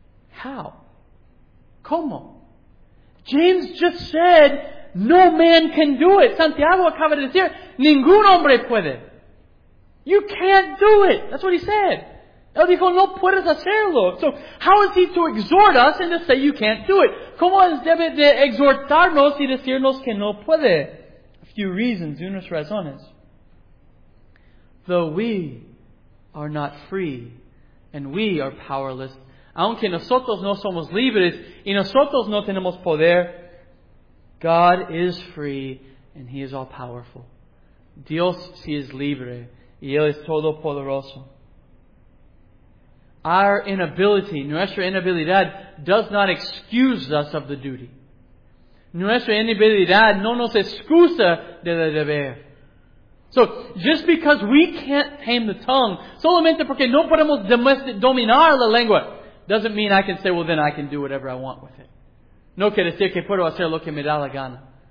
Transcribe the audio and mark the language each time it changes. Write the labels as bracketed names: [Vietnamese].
[English] How? [Spanish] ¿Cómo? [English] James just said, no man can do it. [Spanish] Santiago acaba de decir, ningún hombre puede. [English] You can't do it. That's what he said. [Spanish] Él dijo, no puedes hacerlo. [English] So, how is he to exhort us and to say you can't do it? [Spanish] ¿Cómo es debe de exhortarnos y decirnos que no puede? [English] A few reasons, [Spanish] unas razones. [English] Though we are not free and we are powerless, [Spanish] aunque nosotros no somos libres y nosotros no tenemos poder, [English] God is free and He is all powerful. [Spanish] Dios sí es libre y Él es todopoderoso. [English] Our inability, [Spanish] nuestra inabilidad, [English] does not excuse us of the duty. [Spanish] Nuestra inabilidad no nos excusa del deber. [English] So, just because we can't tame the tongue, [Spanish] solamente porque no podemos dominar la lengua, [English] doesn't mean I can say, well, then I can do whatever I want with it. [Spanish] No quiere decir que puedo hacer lo que me da la gana.